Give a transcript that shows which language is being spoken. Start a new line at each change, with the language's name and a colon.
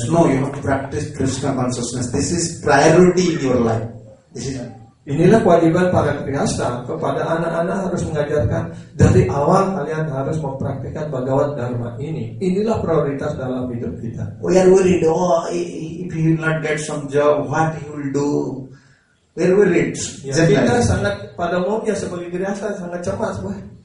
English: No, you have to practice Krishna consciousness. This is priority in your life. This is.
Indonesian: Inilah kewajiban para grihastha kepada anak-anak, harus mengajarkan dari awal kalian harus mempraktikkan Bhagavad Dharma ini. Inilah prioritas dalam hidup kita.
English: We are worried, if you will not get some job, what you will do? We are worried.
Indonesian: Ya, kita sangat pada umumnya sebagai grihastha sangat cemas, wah.